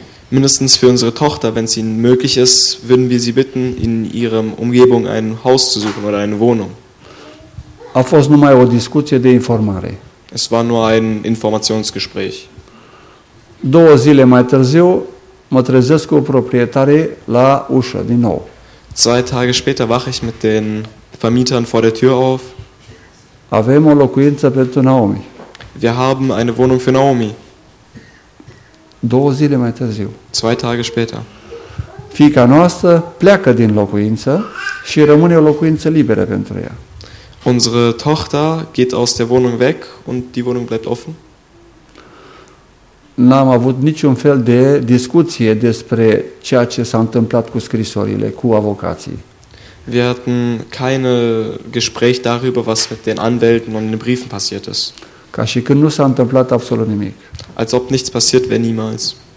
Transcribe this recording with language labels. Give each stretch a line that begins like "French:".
German: Mindestens für unsere Tochter, wenn es ihnen möglich ist, würden wir sie bitten, in ihrer Umgebung ein Haus zu suchen oder eine Wohnung.
Romanian: A fost numai o discuție de informare.
German: Es war nur ein Informationsgespräch.
Romanian: Două zile mai târziu mă trezesc cu proprietarii la ușă din nou.
German: Zwei Tage später wache ich mit den Vermietern vor der Tür auf.
Romanian: Avem o locuință pentru Naomi.
German: Wir haben eine Wohnung für Naomi.
Romanian: Două zile mai târziu.
German: Zwei Tage später.
Romanian: Fiica noastră pleacă din locuință și rămâne o locuință liberă pentru ea.
German: Unsere Tochter geht aus der Wohnung weg und die Wohnung bleibt offen.
Romanian: N-am avut niciun fel de discuție despre ceea ce s-a întâmplat cu scrisorile, cu avocații.
German: Wir hatten keine Gespräch darüber, was mit den Anwälten und den Briefen passiert ist.
Romanian: Ca și când nu s-a întâmplat absolut nimic.
German: Als ob nichts passiert wäre niemals.